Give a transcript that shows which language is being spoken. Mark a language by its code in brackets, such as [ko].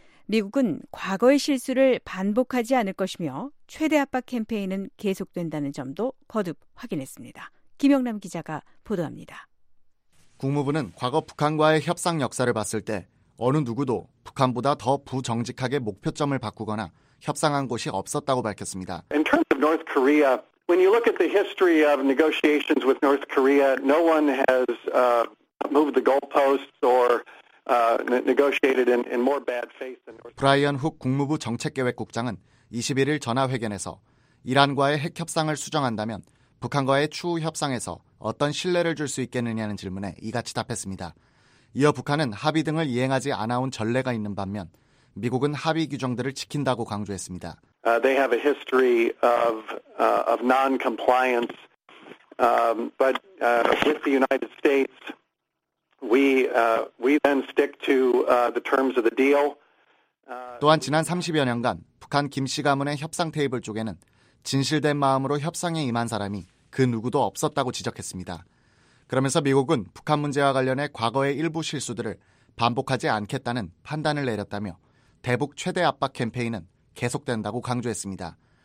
[ko] 미국은 과거의 실수를 반복하지 않을 것이며 최대 압박 캠페인은 계속된다는 점도 거듭 확인했습니다. 김영남 기자가 보도합니다. 국무부는 과거 북한과의 협상 역사를 봤을 때 어느 누구도 북한보다 더 부정직하게 목표점을 바꾸거나 협상한 곳이 없었다고 밝혔습니다. [en] In terms of North Korea, when you look at the history of negotiations with North Korea, no one has moved the goalposts or negotiated in more bad faith than North Korea. [ko] 브라이언 훅 국무부 정책계획국장은 21일 전화회견에서 이란과의 핵 협상을 수정한다면 북한과의 추후 협상에서 어떤 신뢰를 줄 수 있겠느냐는 질문에 이같이 답했습니다. 이어 북한은 합의 등을 이행하지 않아온 전례가 있는 반면 미국은 합의 규정들을 지킨다고 강조했습니다. [en] They have a history of non-compliance, but with the United States, we then stick to the terms of the deal. [ko] 또한 지난 30여 년간 북한 김씨 가문의 협상 테이블 쪽에는 진실된 마음으로 협상에 임한 사람이 그 누구도 없었다고 지적했습니다. 그러면서 미국은 북한 문제와 관련해 과거의 일부 실수들을 반복하지 않겠다는 판단을 내렸다며 대북 최대 압박 캠페인은 계속된다고 강조했습니다.